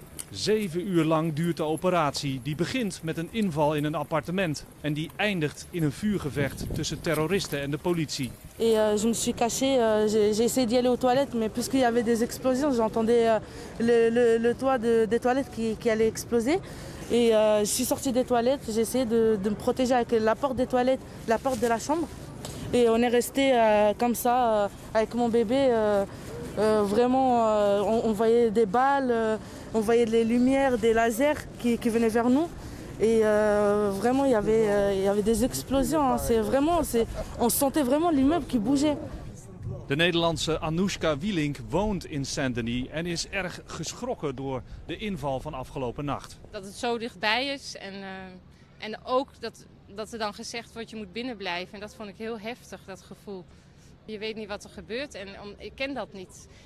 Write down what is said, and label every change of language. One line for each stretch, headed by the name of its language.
Dutch: Zeven uur lang duurt de operatie, die begint met een inval in een appartement en die eindigt in een vuurgevecht tussen terroristen en de politie.
French: Et je me suis caché, j'ai essayé d'y aller aux toilettes, mais puisqu'il y avait des explosions, j'entendais le toit des toilettes qui allait exploser. Et je suis sorti des toilettes, j'ai essayé de me protéger avec la porte des toilettes, la porte de la chambre. Et on est resté comme ça avec mon bébé. Vraiment, on voyait des balles, on voyait des lumières, des lasers qui venaient vers nous. Et vraiment, il y avait des explosions. Hein. On sentait vraiment l'immeuble qui bougeait.
Dutch: De Nederlandse Anouska Wielink woont in Saint-Denis en is erg geschrokken door de inval van afgelopen nacht. Dat het zo dichtbij is en ook dat er dan gezegd wordt je moet binnenblijven. En dat vond ik heel heftig, dat gevoel. Je weet niet wat er gebeurt en ik ken dat niet.